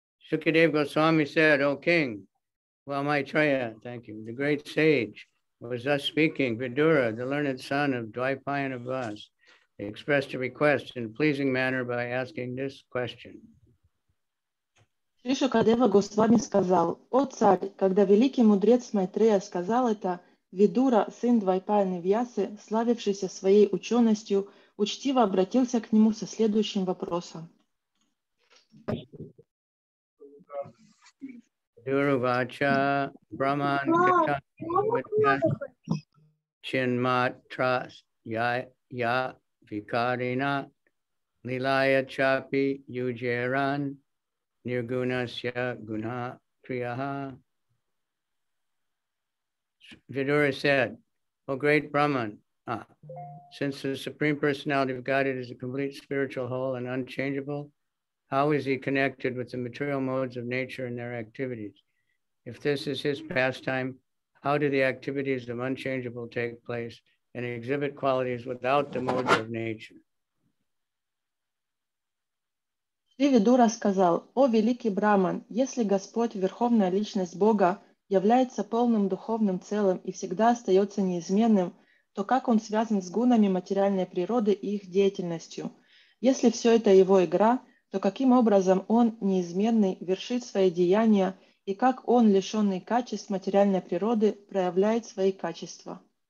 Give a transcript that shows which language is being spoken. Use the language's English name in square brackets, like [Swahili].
[English] Shukadeva Goswami said, O King, while Maitreya, thank you, the great sage, was thus speaking, Vidura, the learned son of Dwaipayana Vas, expressed a request in a pleasing manner by asking this question. [Russian] Шукадева Госвами сказал, О царь, когда великий мудрец Майтрея сказал это, Видура, сын Двайпаяны Вьясы, славившийся своей ученостью, учтиво обратился к нему со следующим вопросом. [Sanskrit] Дурувача Браман Чинматрас Я Викарина Лилая Чапи Юджеран Ниргунасья Гуна Прияха. [English] Vidura said, O great Brahman, since the Supreme Personality of God is a complete spiritual whole and unchangeable, how is he connected with the material modes of nature and their activities? If this is his pastime, how do the activities of unchangeable take place and exhibit qualities without the modes of nature? [Russian] Шри Видура сказал, О великий Брахман, если Господь, Верховная Личность Бога, является полным духовным целым и всегда остается неизменным, то как он связан с гунами материальной природы и их деятельностью? Если все это его игра, то каким образом он, неизменный, вершит свои деяния, и как он, лишенный качеств материальной природы, проявляет свои качества?